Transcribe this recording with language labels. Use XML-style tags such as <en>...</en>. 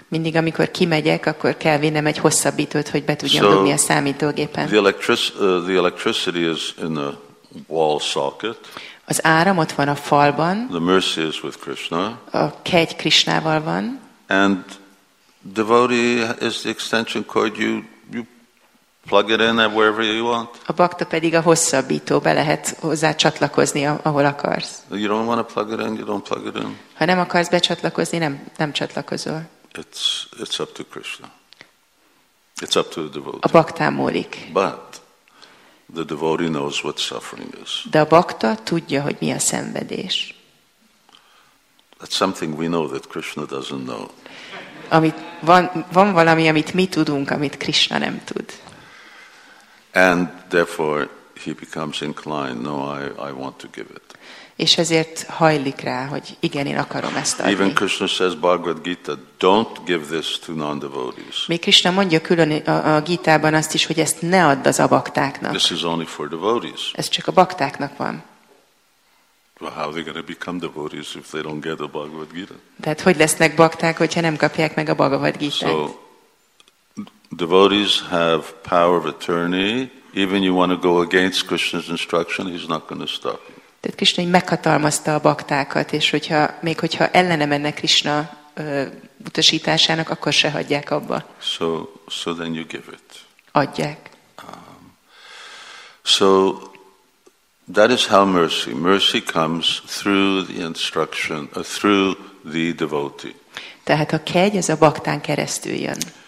<hu>Mindig amikor kimegyek, akkor kell vinnem egy hosszabbítót, hogy be tudjam dugni a számítógépen.</hu> <en>The electricity is in the wall socket.</en> <hu>Az áram ott van a falban.</hu> <en>The mercy is with Krishna.</en> <hu>A kegy Krishnával van.</hu> <en>And devotee is the extension cord. You plug it in wherever you want.</en> <hu>A bakta pedig a hosszabbító, be lehet hozzá csatlakozni, ahol akarsz.</hu> <en>You don't want to plug it in, you don't plug it in.</en> <hu>Ha nem akarsz becsatlakozni, nem csatlakozol.</hu> <en>It's up to Krishna. It's up to the devotee.</en> <hu>A baktán múlik.</hu> <en>But the devotee knows what suffering is.</en> <hu>De a bakta tudja, hogy mi a szenvedés.</hu> <en>That's something we know that Krishna doesn't know.</en> <hu>Amit van valami, amit mi tudunk, amit Krishna nem tud.</hu> <en>And therefore he becomes inclined, no, I want to give it.</en> <hu>És ezért hajlik rá, hogy igen, én akarom ezt adni.</hu> <en>Even Krishna says Bhagavad Gita, don't give this to non-devotees.</en> <hu>Még Krishna mondja külön a Gítában azt is, hogy ezt ne add az a baktáknak.</hu> <en>This is only for devotees.</en> <hu>Ez csak a baktáknak van.</hu> <en>Well, how are they going to become devotees if they don't get the Bhagavad Gita?</en> <hu>Tehát hogy lesznek bakták, hogyha nem kapják meg a Bhagavad Gita-t?</hu> <en>So, devotees have power of attorney. Even you want to go against Krishna's instruction, he's not going to stop you.</en> <hu>Tehát Krishna meghatalmazta a baktákat, és hogyha, még hogyha ellene menne Krishna utasításának, akkor se hagyják abba.</hu> <en>So then you give it.</en> <hu>Adják.</hu> <en>So that is how mercy comes through the instruction, through the devotee.</en> <hu>Tehát a kegy az a baktán keresztül jön.</hu>